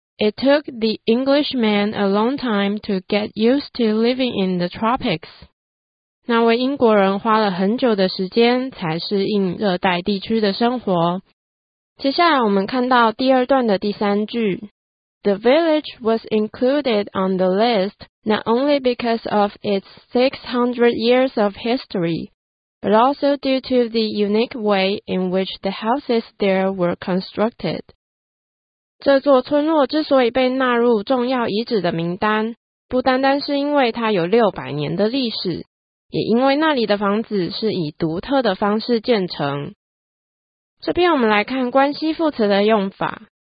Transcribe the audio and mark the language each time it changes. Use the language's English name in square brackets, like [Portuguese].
[English] It took the Englishman a long time to get used to living in the tropics. [Chinese] 那位英国人花了很久的时间才适应热带地区的生活。接下来我们看到第二段的第三句。 [English] The village was included on the list not only because of its 600 years of history, but also due to the unique way in which the houses there were constructed. [Chinese] 这座村落之所以被纳入重要遗址的名单，不单单是因为它有600年的历史，也因为那里的房子是以独特的方式建成。这边我们来看关系副词的用法。